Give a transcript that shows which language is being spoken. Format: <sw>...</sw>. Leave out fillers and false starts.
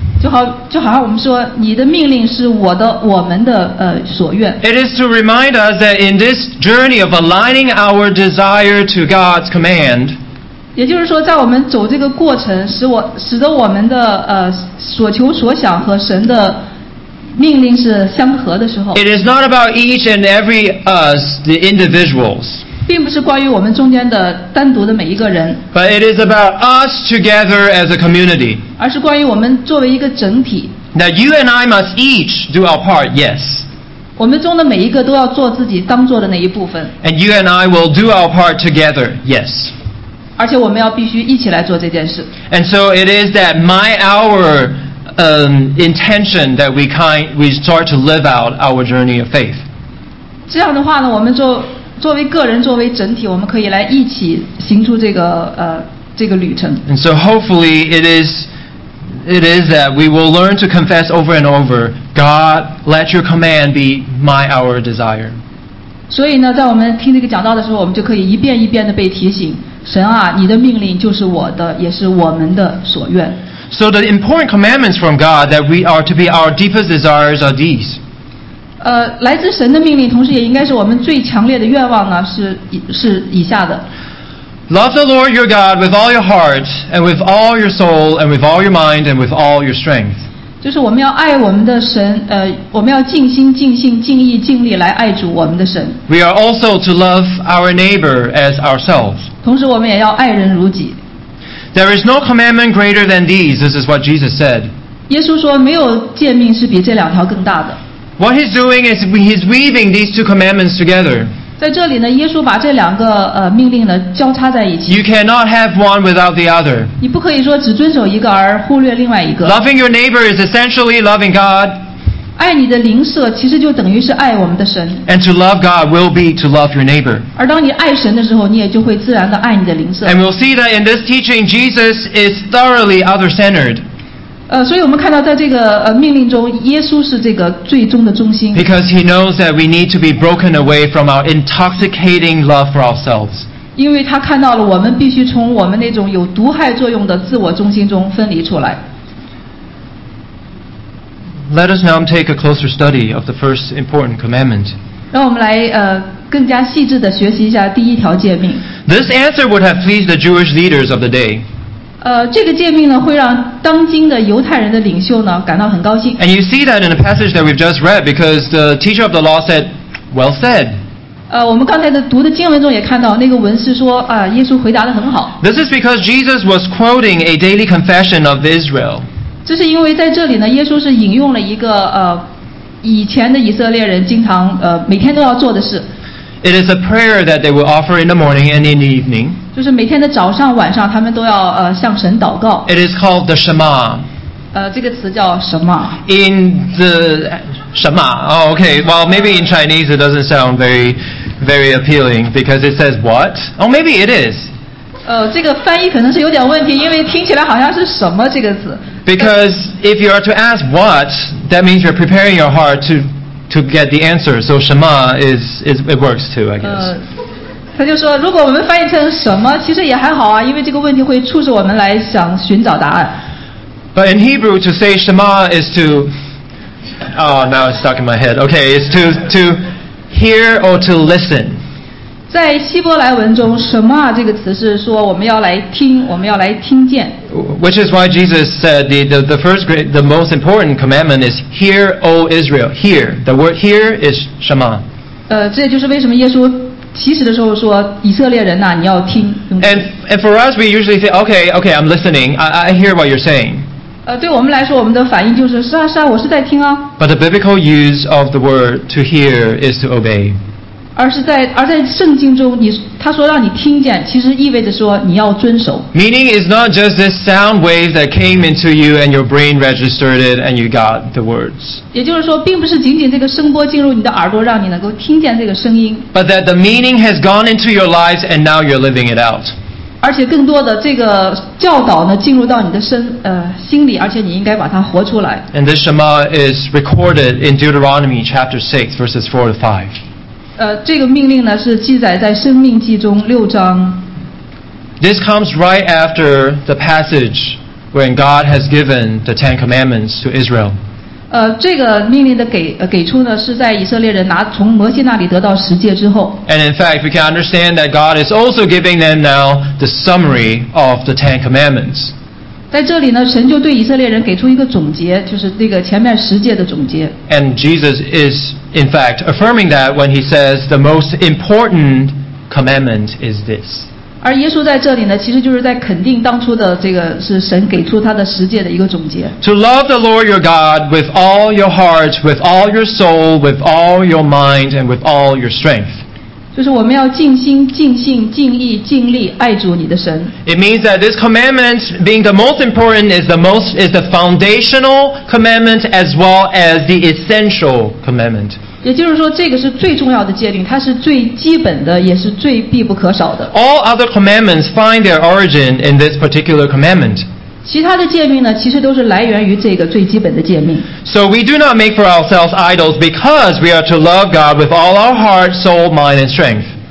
<zh>就好像我们说你的命令是我的，我们的所愿。</zh> <en>It is to remind us that in this journey of aligning our desire to God's command.</en> <zh>也就是说，在我们走这个过程，使得我们的所求所想和神的命令是相合的时候。</zh> <en>It is not about each and every us, the individuals.</en> <zh>并不是关于我们中间的单独的每一个人</zh> <en>But it is about us together as a community</en> <zh>而是关于我们作为一个整体</zh> <en>That you and I must each do our part, yes</en> <zh>我们中的每一个都要做自己当做的那一部分</zh> <en>And you and I will do our part together, yes</en> <zh>而且我们要必须一起来做这件事</zh> <en>And so it is that my our intention that we start to live out our journey of faith</en> <zh>这样的话呢我们就作为个人作为整体我们可以来一起行出这个旅程</zh> <en>And so hopefully it is that we will learn to confess over and over God let your command be my hour desire</en> <zh>所以呢在我们听这个讲道的时候我们就可以一遍一遍的被提醒神啊你的命令就是我的也是我们的所愿</zh> <en>So the important commandments from God that we are to be our deepest desires are these</en> <zh>来自神的命令同时也应该是我们最强烈的愿望呢是以下的</zh> <en>Love the Lord your God with all your heart and with all your soul and with all your mind and with all your strength</en> <zh>就是我们要爱我们的神我们要尽心尽性尽意尽力来爱主我们的神</zh> <en>We are also to love our neighbor as ourselves</en> <zh>同时我们也要爱人如己</zh> <en>There is no commandment greater than these This is what Jesus said</en> <zh>耶稣说没有诫命是比这两条更大的</zh> <en>What he's doing is he's weaving these two commandments together.</en> <zh>在这里呢，耶稣把这两个命令呢交叉在一起。</zh> <en>You cannot have one without the other.</en> <zh>你不可以说只遵守一个而忽略另外一个。</zh> <en>Loving your neighbor is essentially loving God.</en> <zh>爱你的邻舍其实就等于是爱我们的神。</zh> <en>And to love God will be to love your neighbor.</en> <zh>而当你爱神的时候，你也就会自然的爱你的邻舍。</zh> <en>And we'll see that in this teaching, Jesus is thoroughly other-centered.</en> <zh>所以我们看到在这个命令中，耶稣是这个最终的中心。</zh> <en>Because he knows that we need to be broken away from our intoxicating love for ourselves.</en> <zh>因为他看到了我们必须从我们那种有毒害作用的自我中心中分离出来。</zh> <en>Let us now take a closer study of the first important commandment.</en> <zh>让我们来更加细致地学习一下第一条诫命。</zh> <en>This answer would have pleased the Jewish leaders of the day.</en> <zh>这个诫命呢会让当今的犹太人的领袖呢感到很高兴。</zh> <en>And you see that in the passage that we've just read because the teacher of the law said, well said.</en> <zh>我们刚才的读的经文中也看到那个文士说耶稣回答得很好。</zh> <en>This is because Jesus was quoting a daily confession of Israel.</en> <zh>这是因为在这里呢，耶稣是引用了一个以前的以色列人经常每天都要做的事。</zh> <en>It is a prayer that they will offer in the morning and in the evening.</en> <zh>就是每天的早上晚上，他们都要向神祷告。</zh> <en>It is called the Shema.</en> <zh>这个词叫什么</zh> <en>？In the 什么 ？Oh, okay. Well, maybe in Chinese it doesn't sound very, very appealing because it says what? Oh, maybe it is.</en> <zh>这个翻译可能是有点问题，因为听起来好像是什么这个词。</zh> <en>Because if you are to ask what, that means you're preparing your heart to get the answer. So 什么 is it works too, I guess.</en> <zh>他就说，如果我们翻译成什么，其实也还好啊，因为这个问题会促使我们来想寻找答案。</zh> <en>But in Hebrew, to say 什么 is to, oh, now it's stuck in my head. Okay, it's to hear or to listen.</en> <zh>在希伯来文中，什么这个词是说我们要来听，我们要来听见。</zh> <en>Which is why Jesus said the first great, the most important commandment is hear, O Israel, hear. The word hear is 什么？</en> <zh>这就是为什么耶稣起始的时候说以色列人呐、啊，你要听。</zh> <en>And for us, we usually say, okay, I'm listening. I hear what you're saying.</en> <zh>对我们来说，我们的反应就是是啊，我是在听啊。</zh> <en>But the biblical use of the word to hear is to obey.</en> <zh>而在圣经中你他说让你听见其实意味着说你要遵守</zh> <en>meaning is not just this sound wave that came into you and your brain registered it and you got the words</en> <zh>也就是说并不是仅仅这个声波进入你的耳朵让你能够听见这个声音</zh> <en>but that the meaning has gone into your lives and now you're living it out</en> <zh>而且更多的这个教导呢进入到你的心里而且你应该把它活出来</zh> <en>and this Shema is recorded in Deuteronomy chapter 6 verses 4 to 5</en> <zh>这个命令呢是记载在《生命记》中六章。</zh> <en>This comes right after the passage when God has given the Ten Commandments to Israel.</en> <zh>这个命令的给出呢是在以色列人从摩西那里得到十诫之后。</zh> <en>And in fact, we can understand that God is also giving them now the summary of the Ten Commandments.</en> <zh>在这里呢，神就对以色列人给出一个总结，就是那个前面十诫的总结。</zh> <en>And Jesus is. In fact, affirming that when he says the most important commandment is this.</en> <zh>而耶稣在这里呢，其实就是在肯定当初的这个是神给出他的十诫的一个总结。</zh> <en>To love the Lord your God with all your heart, with all your soul, with all your mind, and with all your strength.</en> <zh>就是我们要尽心、尽性、尽意、尽力爱主你的神。</zh> <en>It means that this commandment, being the most important, is the foundational commandment as well as the essential commandment.</en> <zh>也就是说，这个是最重要的诫令，它是最基本的，也是最必不可少的。</zh> <en>All other commandments find their origin in this particular commandment.</en> <zh>其他的诫命呢，其实都是来源于这个最基本的诫命。</zh> <en>So we do not make for ourselves idols because we are to love God with all our heart, soul, mind, and strength.</en>